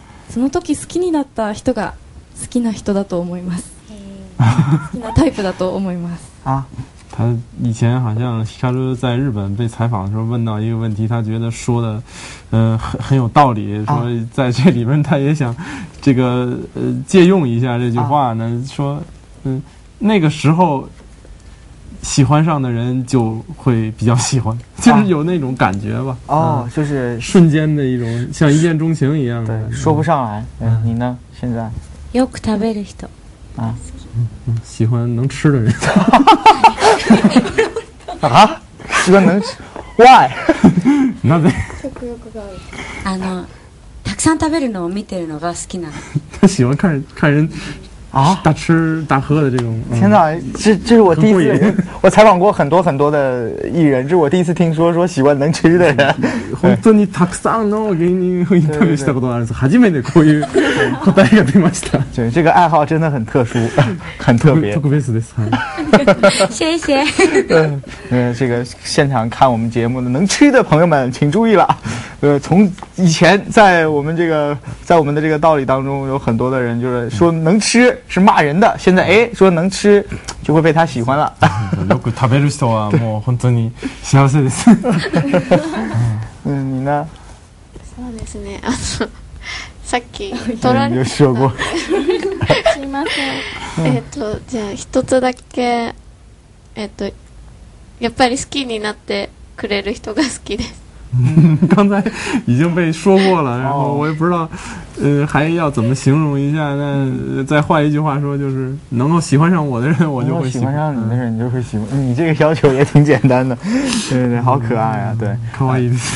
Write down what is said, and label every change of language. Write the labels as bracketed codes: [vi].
[ja] その時好きになった人が好きな人だと思います。好きなタイプだと思います。あ、 [zh] 他以前好像光在日本被采访的时候问到一个问题，他觉得说的，很有道理。说在这里面，他也想这个借用一下这句话呢，说，那个时候喜欢上的人就会比较喜欢，就是有那种感觉吧。就是瞬间的一种，像一见钟情一样的。对，说不上来。你呢？现在 [ja] よく食べる人。 [zh] 喜欢能吃的人。啊，喜欢能吃 ？ [en] Why？ [zh] 那得。 [ja] たくさん食べるのを見てるのが好きな。 [zh] 他喜欢看看人啊，大吃大喝的这种。天哪，这是我第一次。我采访过很多很多的艺人，这是我第一次听说喜欢能吃的人。 [ja] 本当にたくさんの芸人をインタビューしたことがあるんです。初めてこういう答えが出ました。 [zh] 对，这个爱好真的很特殊，很特别。 [ja] 特別です。 [zh] 谢谢。这个现场看我们节目的能吃的朋友们，请注意了。从以前在我们这个在我们的这个道理当中，有很多的人就是说能吃是骂人的，现在说能吃就会被他喜欢了。 [ja] よく食べる人はもう本当に幸せです。 [zh] 你呢？ [ja] そうですね。さっき取られた。吉岡。すいません。じゃあ一つだけやっぱり好きになってくれる人が好きです。 [zh] 刚才已经被说过了，然后我也不知道，还要怎么形容一下。那再换一句话说，就是能够喜欢上我的人，我就会喜欢上你的人，你就会喜欢。你这个要求也挺简单的，对对对，好可爱啊！对，卡哇伊，